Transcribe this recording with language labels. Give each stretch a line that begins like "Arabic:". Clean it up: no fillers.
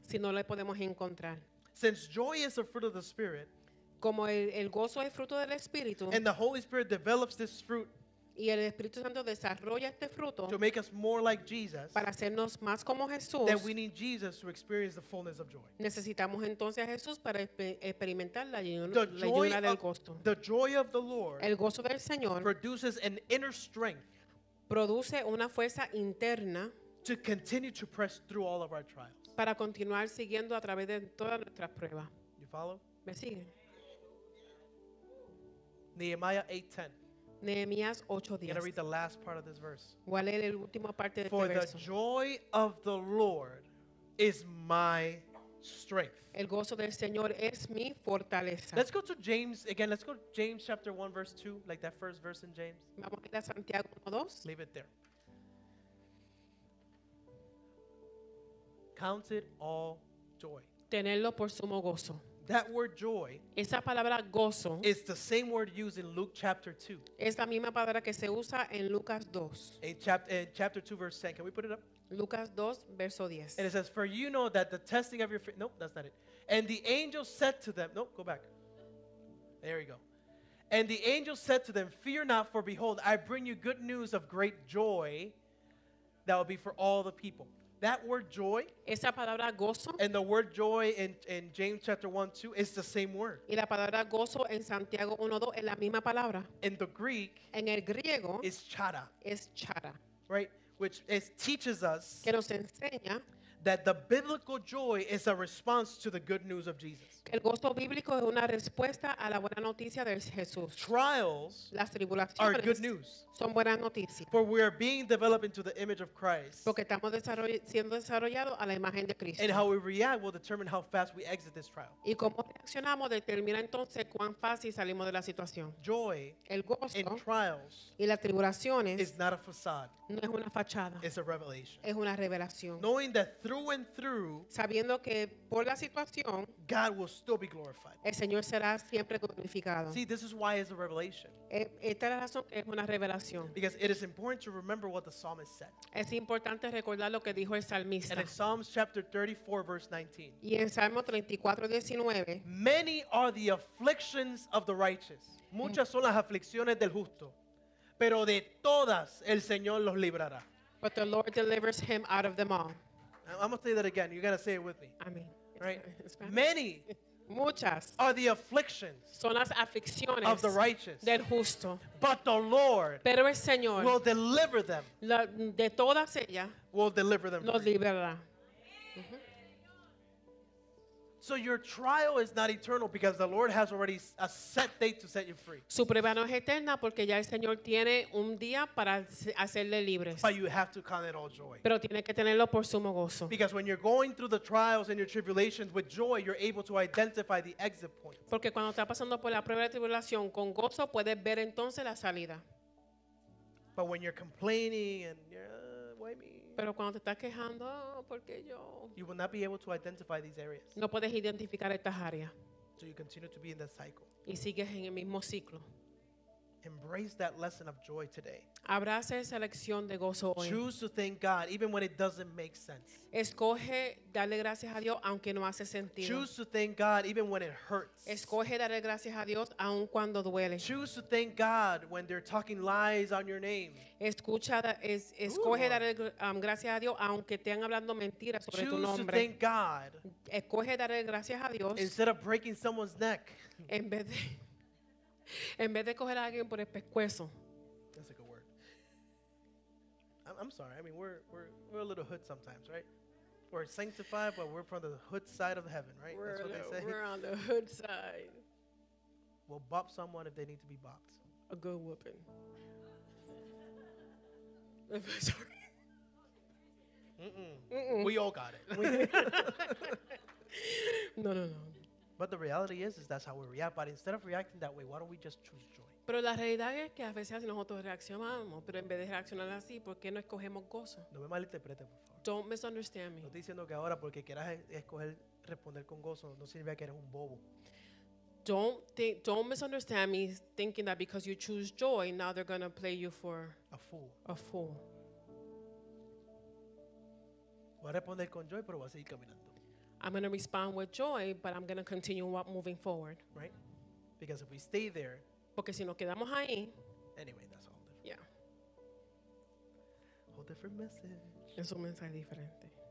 Spanish: Si no le podemos encontrar.
English: Since joy is a fruit of the Spirit.
Spanish: Como el gozo es fruto del Espíritu.
English: And the Holy Spirit develops this fruit.
Spanish: Y el Espíritu Santo desarrolla este fruto
English: to make us more like Jesus,
Spanish: para hacernos más como Jesús.
English: Then we need Jesus to experience the fullness of joy.
Spanish: Necesitamos entonces a Jesús para experimentar la llenura del gozo.
English: The joy of the Lord,
Spanish: el gozo del Señor,
English: produces an inner strength,
Spanish: produce una fuerza interna,
English: to continue to press through all of our trials,
Spanish: para continuar siguiendo a través de todas nuestras pruebas.
English: You follow?
Spanish: Me siguen.
English: Nehemiah 8:10.
Spanish: Nehemías 8:10.
English: I'm going to read the last part of this verse.
Spanish: Voy a leer el último parte de este verso.
English: For the joy of the Lord is my strength.
Spanish: El gozo del Señor es mi fortaleza.
English: Let's go to James again. Let's go to James chapter 1 verse 2, like that first verse in James.
Spanish: Vamos a ir a Santiago 1:2.
English: Leave it there. Count it all joy.
Spanish: Tenerlo por sumo gozo.
English: That word joy,
Spanish: esa palabra gozo,
English: is the same word used in Luke chapter 2.
Spanish: Es la misma palabra que se usa en Lucas 2.
English: In chapter 2 verse 10. Can we put it up?
Spanish: Lucas 2 verso 10.
English: And it says, for you know that the testing of your faith, nope, that's not it. And the angel said to them, nope, go back. There you go. And the angel said to them, fear not, for behold, I bring you good news of great joy that will be for all the people. That word joy,
Spanish: esa palabra gozo,
English: and the word joy in James chapter 1, 2 is the same word.
Spanish: Y la palabra gozo en Santiago 1, 2 es la misma palabra.
English: In the Greek,
Spanish: en el griego,
English: is chara.
Spanish: Es chara.
English: Right? Which is, teaches us
Spanish: que nos enseña
English: that the biblical joy is a response to the good news of Jesus.
Spanish: El gozo bíblico es una respuesta a la buena noticia de Jesús.
English: Trials,
Spanish: las tribulaciones,
English: are good news.
Spanish: Son buenas noticias.
English: For we are being developed into the image of Christ.
Spanish: Porque estamos siendo desarrollados a la imagen de Cristo.
English: And how we react will determine how fast we exit this trial.
Spanish: Y cómo reaccionamos determina entonces cuán fácil salimos de la situación.
English: Joy,
Spanish: el gozo,
English: in trials,
Spanish: y las tribulaciones,
English: is not a facade.
Spanish: No es una fachada.
English: It's a revelation.
Spanish: Es una revelación.
English: Knowing that through and through,
Spanish: sabiendo que por la situación,
English: God will still be glorified.
Spanish: El Señor será siempre glorificado.
English: See, this is why it's a revelation.
Spanish: Esta es la razón que es una revelación.
English: Because it is important to remember what the psalmist said.
Spanish: Es importante recordar lo que dijo el salmista.
English: And in Psalms chapter 34, verse 19.
Spanish: Y en Salmo 34:19.
English: Many are the afflictions of the righteous.
Spanish: Muchas son las aflicciones del justo. Pero de todas el Señor los librará.
English: But the Lord delivers him out of them all. I'm going to say that again. You got to say it with me. I mean, right? Many
Spanish: muchas
English: are the afflictions
Spanish: son las aflicciones
English: of the righteous,
Spanish: del justo.
English: But the Lord,
Spanish: pero el Señor,
English: will deliver them.
Spanish: La, de todas ellas,
English: will deliver them.
Spanish: Los librará.
English: So your trial is not eternal because the Lord has already a set date to set you free.
Spanish: Su prueba no es eterna porque ya el Señor tiene un día para hacerle libres.
English: But you have to count it all joy.
Spanish: Pero tiene que tenerlo por sumo gozo.
English: Because when you're going through the trials and your tribulations with joy, you're able to identify the exit point.
Spanish: Porque cuando está pasando por la prueba de tribulación con gozo, puedes ver entonces la salida.
English: But when you're complaining and you're, why me?
Spanish: Pero cuando te estás quejando, oh, ¿por qué yo?
English: You will not be able to identify these areas.
Spanish: No puedes identificar estas áreas.
English: So you continue to be in that cycle.
Spanish: Y sigues en el mismo ciclo.
English: Embrace that lesson of joy today.
Spanish: Abraza esa lección de gozo hoy.
English: Choose to thank God even when it doesn't make sense.
Spanish: Escoge darle gracias a Dios aunque no hace sentido.
English: Choose to thank God even when it hurts.
Spanish: Escoge darle gracias a Dios aun cuando duele.
English: Choose to thank God when they're talking lies on your name.
Spanish: Escoge darle gracias a Dios aunque estén hablando mentiras sobre tu nombre.
English: Choose to thank God.
Spanish: Escoge darle gracias a Dios.
English: Instead of breaking someone's neck.
Spanish: En vez de coger a alguien por el pescuezo.
English: That's a good word. I'm sorry. I mean, we're a little hood sometimes, right? We're sanctified, but we're from the hood side of heaven, right? That's what they say. We're on the hood side. We'll bop someone if they need to be bopped. A good whooping. I'm sorry. Mm-mm. We all got it. No. But the reality is that's how we react. But instead of reacting that way, why don't we just choose joy?
Spanish: Pero la realidad es que a veces nosotros reaccionamos, pero en vez de reaccionar así, ¿por qué no escogemos gozo? No me malinterprete, por favor.
English: Don't misunderstand me.
Spanish: No estoy diciendo que ahora porque quieras escoger responder con gozo no significa que eres un bobo.
English: Don't misunderstand me thinking that because you choose joy now they're going to play you for a fool.
Spanish: Voy a responder con joy, pero voy a seguir caminando.
English: I'm going to respond with joy, but I'm going to continue moving forward. Right? Because if we stay there.
Spanish: Porque si nos quedamos ahí.
English: Anyway, that's all different. Yeah. Whole different message.
Spanish: Es un mensaje diferente.